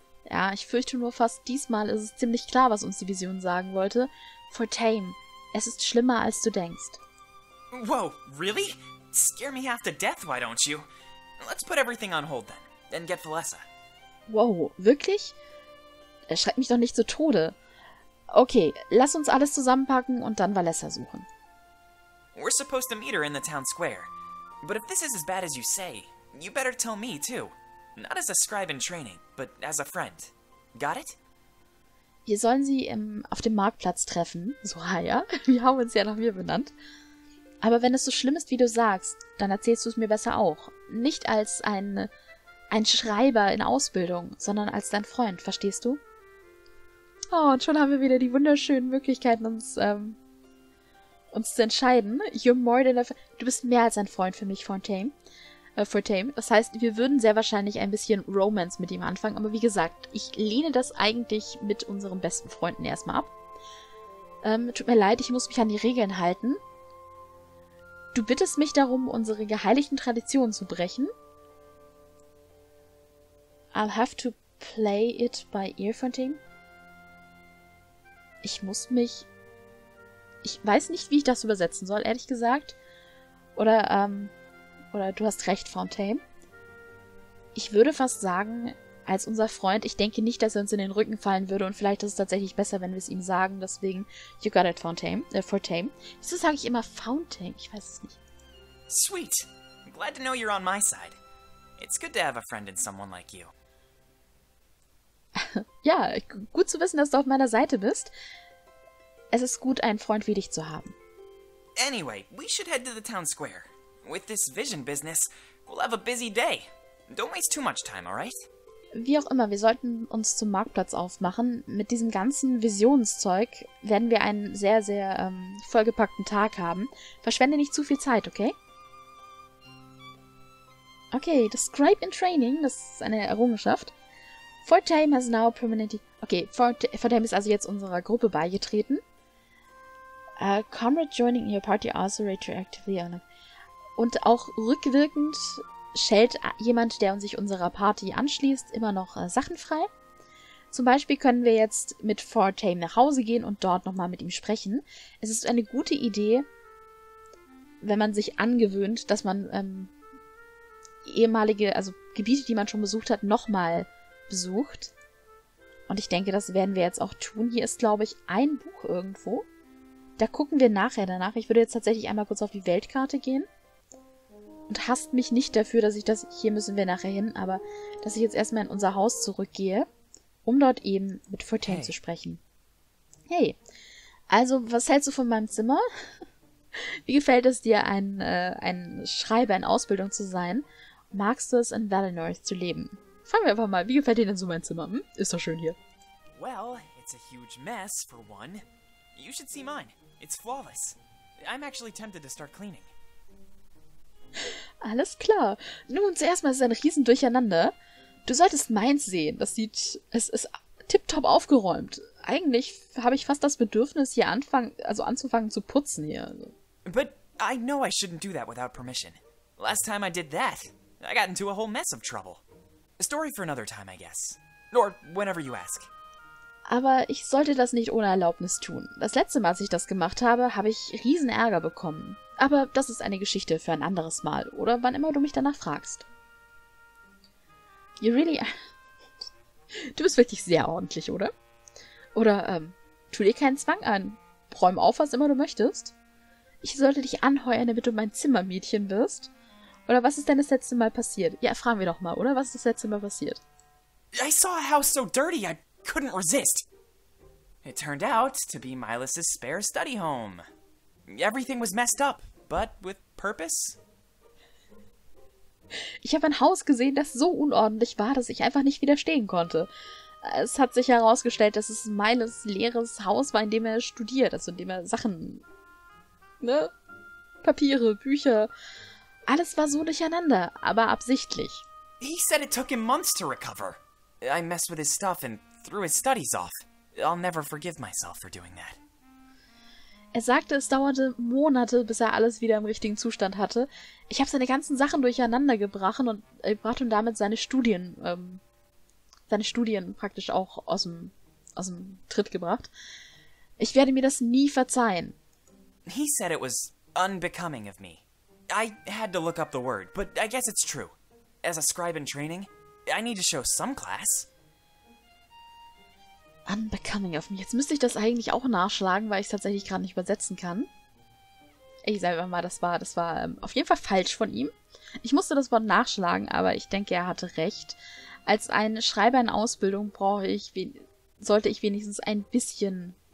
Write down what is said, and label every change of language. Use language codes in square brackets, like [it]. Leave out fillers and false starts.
[de] Ja, ich fürchte nur fast, diesmal ist es ziemlich klar, was uns die Vision sagen wollte. Fortaim, es ist schlimmer, als du denkst. [en] Whoa, really? Scare me half to death, why don't you? Let's put everything on hold then, and get Valessa. [de] Wow, wirklich? Erschreck mich doch nicht zu Tode. Okay, lass uns alles zusammenpacken und dann Valessa suchen. [en] We're supposed to meet her in the town square. But if this is as bad as you say, you better tell me too. Not as a scribe in training, but as a friend. Got it? [de] Wir sollen sie auf dem Marktplatz treffen, Soraya. Wir haben uns ja nach mir benannt. Aber wenn es so schlimm ist, wie du sagst, dann erzählst du es mir besser auch. Nicht als ein Schreiber in Ausbildung, sondern als dein Freund, verstehst du? Oh, und schon haben wir wieder die wunderschönen Möglichkeiten, uns zu entscheiden. [en] You're more than a [de] du bist mehr als ein Freund für mich, Fortaim. Das heißt, wir würden sehr wahrscheinlich ein bisschen Romance mit ihm anfangen, aber wie gesagt, ich lehne das eigentlich mit unseren besten Freunden erstmal ab. Tut mir leid, ich muss mich an die Regeln halten. Du bittest mich darum, unsere geheiligten Traditionen zu brechen. [en] I'll have to play it by ear, Fontaine. [de] Ich weiß nicht, wie ich das übersetzen soll, ehrlich gesagt. Oder du hast recht, Fontaine. Ich würde fast sagen, als unser Freund, ich denke nicht, dass er uns in den Rücken fallen würde. Und vielleicht ist es tatsächlich besser, wenn wir es ihm sagen. Deswegen, [en] you got it, [de] Fontaine. Wieso sage ich immer Fontaine? Ich weiß es nicht. [en] Sweet. Glad to know you're on my side. It's good to have a friend in someone like you. [de] Ja, gut zu wissen, dass du auf meiner Seite bist. Es ist gut, einen Freund wie dich zu haben. [en] Anyway, we should head to the town square. With this vision business, we'll have a busy day. Don't waste too much time, alright? [de] Wie auch immer, wir sollten uns zum Marktplatz aufmachen. Mit diesem ganzen Visionszeug werden wir einen sehr, sehr vollgepackten Tag haben. Verschwende nicht zu viel Zeit, okay? Okay, das Scribe in Training, das ist eine Errungenschaft. [en] Fortaim has now permanently... [de] Okay, Fortaim ist also jetzt unserer Gruppe beigetreten. [en] Comrade joining your party also retroactively on a... [de] Und auch rückwirkend schält jemand, der sich unserer Party anschließt, immer noch Sachen frei. Zum Beispiel können wir jetzt mit Fortame nach Hause gehen und dort nochmal mit ihm sprechen. Es ist eine gute Idee, wenn man sich angewöhnt, dass man ehemalige, also Gebiete, die man schon besucht hat, nochmal besucht. Und ich denke, das werden wir jetzt auch tun. Hier ist, glaube ich, ein Buch irgendwo. Da gucken wir nachher danach. Ich würde jetzt tatsächlich einmal kurz auf die Weltkarte gehen. Und hasst mich nicht dafür, dass ich das... Hier müssen wir nachher hin, aber dass ich jetzt erstmal in unser Haus zurückgehe, um dort eben mit Fortune zu sprechen. Hey, also was hältst du von meinem Zimmer? Wie gefällt es dir, ein Schreiber in Ausbildung zu sein? Magst du es, in Valinor zu leben? Fangen wir einfach mal. Wie gefällt dir denn so mein Zimmer? Hm? Ist doch schön hier. [en] Well, it's a huge mess, for one. You should see mine. It's flawless. I'm actually tempted to start cleaning. [de] Alles klar. Nun, zuerst mal ist es ein Riesendurcheinander. Du solltest meins sehen. Das sieht... Es ist tipptopp aufgeräumt. Eigentlich habe ich fast das Bedürfnis, hier anzufangen zu putzen hier. [en] But I know I shouldn't do that without permission. Last time I did that, I got into a whole mess of trouble. A story for another time, I guess. Or whenever you ask. [de] Aber ich sollte das nicht ohne Erlaubnis tun. Das letzte Mal, als ich das gemacht habe, habe ich riesen Ärger bekommen. Aber das ist eine Geschichte für ein anderes Mal, oder wann immer du mich danach fragst. [en] You really... [de] Du bist wirklich sehr ordentlich, oder? Oder, tu dir keinen Zwang an. Räum auf, was immer du möchtest. Ich sollte dich anheuern, damit du mein Zimmermädchen wirst. Oder was ist denn das letzte Mal passiert? Ja, fragen wir doch mal, oder? Was ist das letzte Mal passiert? [en] I saw a house so dirty, I couldn't resist. It turned out to be Mylas' spare study home. Everything was messed up, but with purpose. [de] Ich habe ein Haus gesehen, das so unordentlich war, dass ich einfach nicht widerstehen konnte. Es hat sich herausgestellt, dass es Mylas' leeres Haus war, in dem er studiert, also in dem er Sachen... Ne? Papiere, Bücher... Alles war so durcheinander, aber absichtlich. [en] He said it took him months to recover. I messed with his stuff and threw his studies off. I'll never forgive myself for doing that. [de] Er sagte, es dauerte Monate, bis er alles wieder im richtigen Zustand hatte. Ich habe seine ganzen Sachen durcheinander gebracht und brachte ihm damit seine Studien praktisch auch aus dem Tritt gebracht. Ich werde mir das nie verzeihen. [en] He said it was unbecoming of me. I had to look up the word, but I guess it's true. As a scribe in training, I need to show some class. Unbecoming of me. [de] Jetzt müsste ich das eigentlich auch nachschlagen, weil ich es tatsächlich gerade nicht übersetzen kann. Ich sage mal, das war auf jeden Fall falsch von ihm. Ich musste das Wort nachschlagen, aber ich denke, er hatte recht. Als ein Schreiber in Ausbildung sollte ich wenigstens ein bisschen...